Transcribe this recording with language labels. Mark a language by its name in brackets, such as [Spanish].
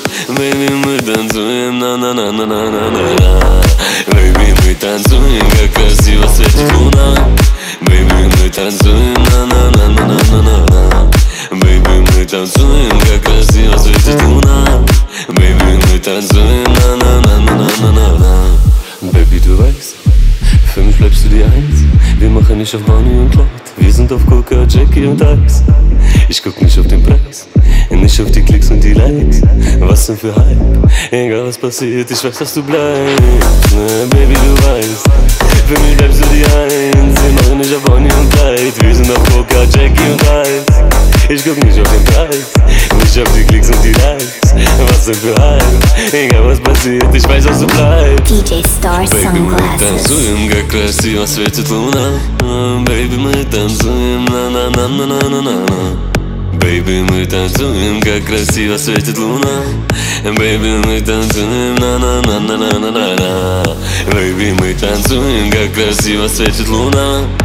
[Russian] Baby, мы танцуем, на-на-на-на-на-на-на. Baby, мы танцуем, как красиво светит луна. Baby, мы танцуем, на-на-на-на-на-на-на. Baby, мы танцуем, как красиво светит луна. Baby, мы танцуем, на-на-на-на-на-на-на. [German] Baby, ты вайс, für mich bleibst du die Eins. Wir machen nicht auf Bunny und Clyde. Wir sind auf Coca, Jackie und Ice. Ich guck nicht auf den Preis, nicht auf die Klicks und die Likes. Was denn für Hype? Egal was passiert, ich weiß, dass du bleibst. Baby, du weißt, für mich bleibst du die Eins. Wir machen nicht auf Bunny und Clyde. Wir sind auf Coca, Jackie und Ice. Ich guck nicht auf den Preis, nicht auf die Klicks und die Likes. Was denn für Hype? Egal was passiert, ich weiß, dass du bleibst. [English] DJ Star Sunglasses. [Russian] Baby, как красиво светит луна. Baby, мы танцуем, на-на-на-на-на-на-на. Baby, мы танцуем, как красиво светит луна. Baby, мы танцуем, на-на-на-на-на-на-на. Baby, мы танцуем, как красиво светит луна.